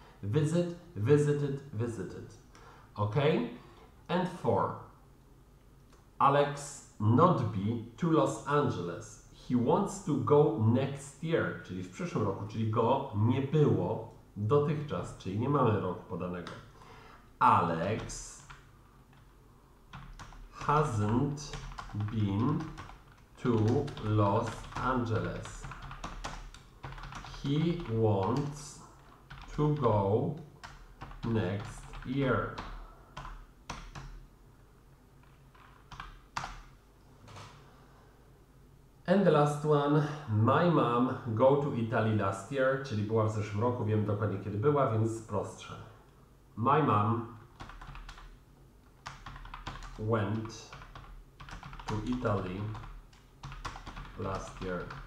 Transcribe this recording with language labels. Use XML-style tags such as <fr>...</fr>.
<en>Visit, visited, visited. OK? And four. Alex not be to Los Angeles. He wants to go next year,</en> <pl>czyli w przyszłym roku, czyli go nie było dotychczas, czyli nie mamy roku podanego.</pl> <en>Alex hasn't been to Los Angeles. He wants to go next year. And the last one, my mom go to Italy last year,</en> <pl>czyli była w zeszłym roku, wiem dokładnie kiedy była, więc prostsze.</pl> <en>My mom went to Italy last year.</en>